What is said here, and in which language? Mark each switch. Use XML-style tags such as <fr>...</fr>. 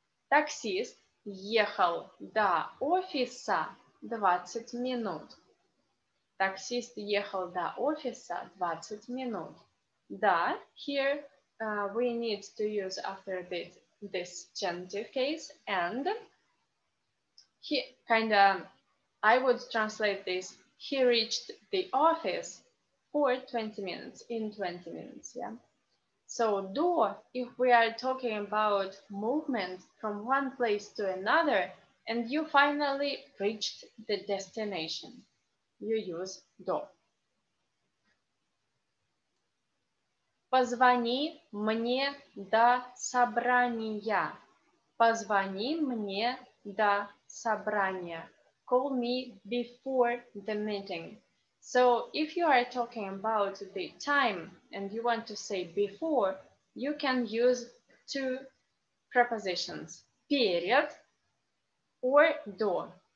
<ru>Таксист ехал до офиса 20 минут. Таксист ехал до офиса 20 минут.</ru> <en>Да, here we need to use after this genitive case. And he kind of, I would translate this, he reached the office for 20 minutes, in 20 minutes, yeah. So do, if we are talking about movement from one place to another, and you finally reached the destination, you use do.</en> <ru>Позвони мне до собрания. Позвони мне до собрания.</ru> <en>Call me before the meeting. So if you are talking about the time and you want to say before, you can use two prepositions, перед or до.</en>